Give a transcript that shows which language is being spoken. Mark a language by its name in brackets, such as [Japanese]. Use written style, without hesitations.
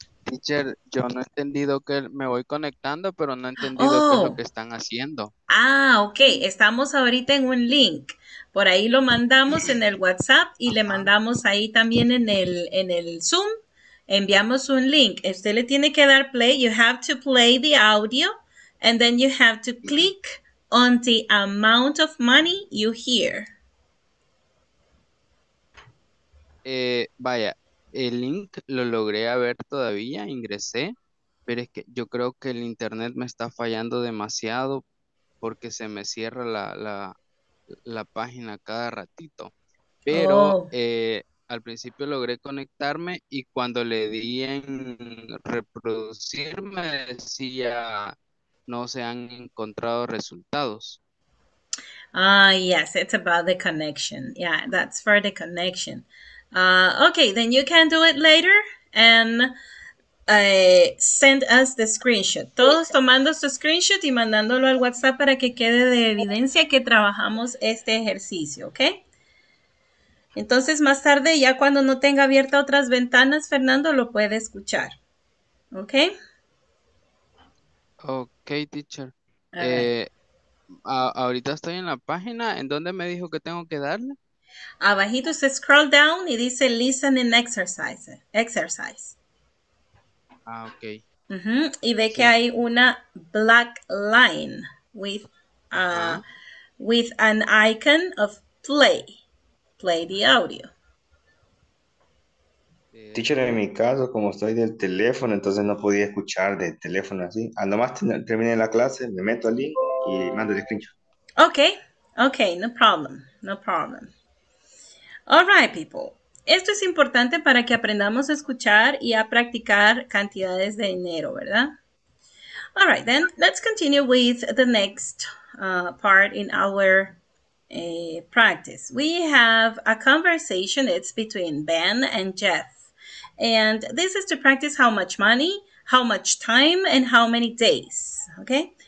[Spanish] Teacher, yo no he entendido que me voy conectando, pero no he entendido qué es lo que están haciendo. Ah, ok. Estamos ahorita en un link. Por ahí lo mandamos en el WhatsApp y le mandamos ahí también en el Zoom. Enviamos un link. Usted le tiene que dar play. [English] You have to play the audio and then you have to click on the amount of money you hear. [Spanish] Vaya, el link lo logré a ver todavía, ingresé, pero es que yo creo que el internet me está fallando demasiado porque se me cierra la página cada ratito. Pero al principio logré conectarme y cuando le di en reproducir me decía no se han encontrado resultados. [English] Yes, it's about the connection. Yeah, that's for the connection. Okay, then you can do it later and send us the screenshot. [Spanish] Todos tomando su screenshot y mandándolo al WhatsApp para que quede de evidencia que trabajamos este ejercicio, okay? Entonces, más tarde, ya cuando no tenga abierta otras ventanas, Fernando lo puede escuchar, okay? Okay, teacher. Ahorita estoy en la página. ¿En dónde me dijo que tengo que darle? Abajito se [English] scroll down [Spanish] y dice [English] listen and exercise. Ah, okay. Uh-huh. [Spanish] Y ve sí. Que hay una [English] black line with with an icon of play the audio. [Spanish] Teacher, en mi caso, como estoy del teléfono, entonces no podía escuchar del teléfono así. A nomás terminé la clase, me meto al link y mando el screenshot. [English] Okay, no problem. All right, people. [Spanish] Esto es importante para que aprendamos a escuchar y a practicar cantidades de dinero, ¿verdad? [English] All right, then, let's continue with the next part in our practice. We have a conversation. It's between Ben and Jeff. And this is to practice how much money, how much time, and how many days, okay?